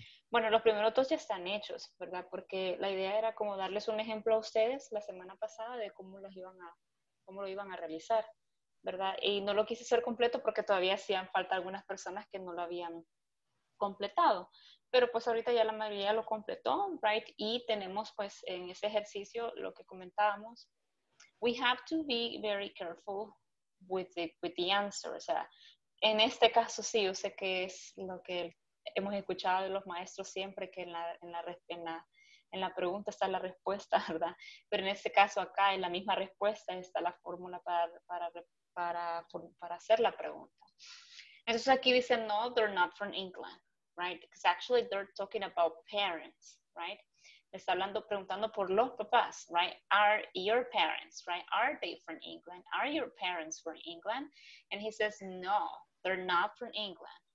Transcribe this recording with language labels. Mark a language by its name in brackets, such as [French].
[Spanish] Bueno, los primeros dos ya están hechos, ¿verdad? Porque la idea era como darles un ejemplo a ustedes la semana pasada de cómo lo iban a realizar, ¿verdad? Y no lo quise hacer completo porque todavía hacían falta algunas personas que no lo habían completado. Pero pues ahorita ya la mayoría lo completó, right? Y tenemos pues en ese ejercicio lo que comentábamos. [English] We have to be very careful with the answer. [Spanish] O sea, en este caso sí, yo sé que es lo que hemos escuchado de los maestros siempre, que en la pregunta está la respuesta, ¿verdad? Pero en este caso acá, en la misma respuesta, está la fórmula para hacer la pregunta. Entonces aquí dice, [English] no, they're not from England, right? Because actually they're talking about parents, right? [Spanish] Está hablando, preguntando por los papás, [English] right? Are your parents, right? Are they from England? Are your parents from England? And he says, no, they're not from England.